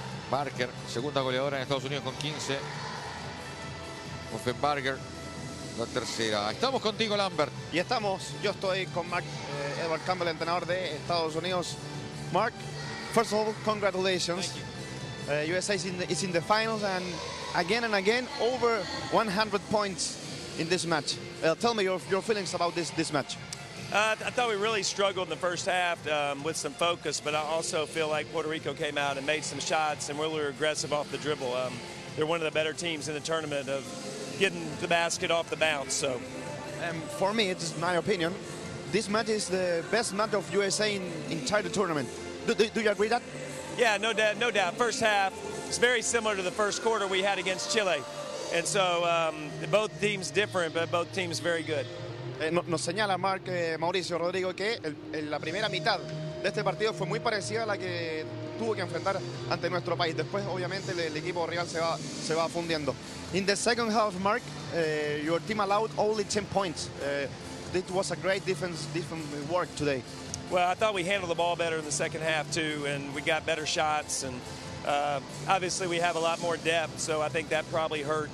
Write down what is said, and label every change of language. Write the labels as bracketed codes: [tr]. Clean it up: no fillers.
[es] Barker, segunda goleadora en Estados Unidos con 15. Offenbarger, la tercera. Estamos contigo, Lambert. Y estamos, yo estoy con Mark Edward Campbell, entrenador de Estados Unidos. [en] Mark, first of all, congratulations. Thank you. USA is in the finals and again, over 100 points in this match. Tell me your feelings about this match. I thought we really struggled in the first half with some focus, but I also feel like Puerto Rico came out and made some shots and really were aggressive off the dribble. They're one of the better teams in the tournament of getting the basket off the bounce. So, for me, it's my opinion, this match is the best match of USA in entire tournament. Do you agree that? Yeah, no doubt. First half, it's very similar to the first quarter we had against Chile. And so both teams different, but both teams very good. [es] Nos señala Mark Mauricio Rodrigo que la primera mitad de este partido fue muy parecida a la que tuvo que enfrentar ante nuestro país. Después, obviamente, el equipo rival se va fundiendo. [en] In the second half, Mark, your team allowed only 10 points. This was a great defense work today. Well, I thought we handled the ball better in the second half too, and we got better shots. And obviously, we have a lot more depth, so I think that probably hurt.